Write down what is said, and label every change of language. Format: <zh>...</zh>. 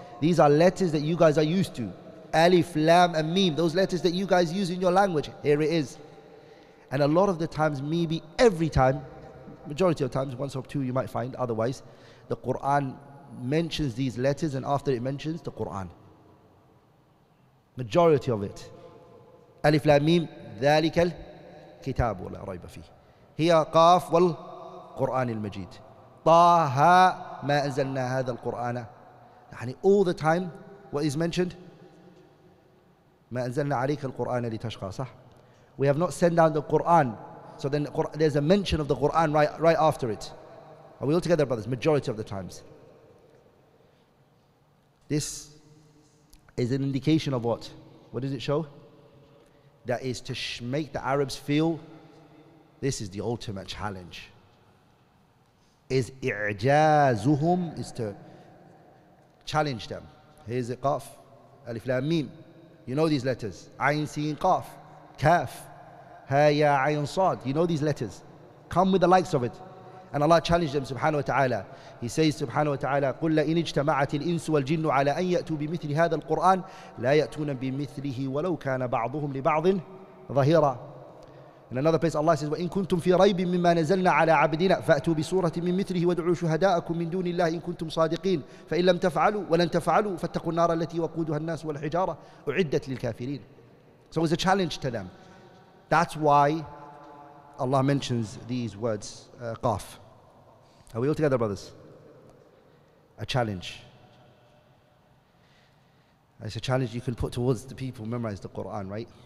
<en>These are letters that you guys are used to. Alif, lam, and mim. Those letters that you guys use in your language. Here it is. And a lot of the times, maybe every time, majority of times, once or two you might find, otherwise, the Qur'an mentions these letters and after it mentions the Qur'an. Majority of it.</en> <ar>Alif, lam, mim, ذَلِكَ الْكِتَابُ وَلَا رَيْبَ فِيهِ هِيَا قَافْ وَالْقُرْآنِ الْمَجِيدِ طَاهَا مَا أَنزَلْنَا هَذَا الْقُرْآنَ.</ar> <en>All the time, what is mentioned?</en> <ar>مَا أَنزَلْنَا عَلَيْكَ الْقُرْآنَ لِتَشْقَى.</ar> <en>We have not sent down the Qur'an. So then there's a mention of the Qur'an right after it. Are we all together, brothers? Majority of the times. This is an indication of what? What does it show? That is to make the Arabs feel this is the ultimate challenge. Is i'jazuhum, is to challenge them. Here's a qaf, alif, lam, mim. You know these letters. Ayn, seen, qaf, kaf. You know these letters. Come with the likes of it. And Allah challenged them, subhanahu wa ta'ala. He says, subhanahu wa ta'ala,</en> <ar>قُلْ لَإِنْ اجْتَمَعَتِ الْإِنْسُ وَالْجِنُّ عَلَىٰ أَنْ يَأْتُوا بِمِثْلِ هَذَا الْقُرْآنِ لَا يَأْتُونَ بِمِثْلِهِ وَلَوْ كَانَ بَعْضُهُمْ لِبَعْضٍ ظَهِيرًا.</ar> <en>In another place, Allah says,</en> <ar>وَإِنْ كُنْتُمْ فِي رَيْبٍ مِمَّا نَزَلْنَا عَلَىٰ عَبْدِنَا فَأْتُوا بِسُورَةٍ مِنْ مِثْلِهِ وَادْعُوا شُهَدَاءَكُمْ مِنْ دُونِ اللَّهِ إِنْ كُنْتُمْ صَادِقِينَ فَإِنْ لَمْ تَفْعَلُوا وَلَنْ تَفْعَلُوا فَاتَّقُوا النَّارَ الَّتِي وَقُودُهَا النَّاسُ وَالْحِجَارَةُ أُعِدَّتْ لِلْكَافِرِينَ.</ar> <en>So it's a challenge to them. That's why Allah mentions these words, qaf. Are we all together, brothers? A challenge. It's a challenge you can put towards the people who memorize the Qur'an, right?</en>